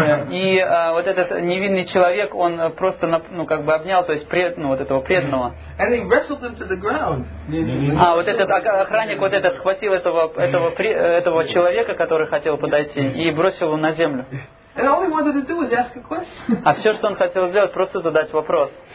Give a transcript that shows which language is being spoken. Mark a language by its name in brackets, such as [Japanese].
[Russian] И вот этот невинный человек, он просто, ну, как бы обнял, то есть, вот этого преданного. [English] And he wrestled him to the ground. [Russian] А, вот этот охранник, вот этот, схватил этого человека, который хотел подойти, и бросил его на землю. [English] And all he wanted to do was ask a question. [Russian] А все, что он хотел сделать, просто задать вопрос.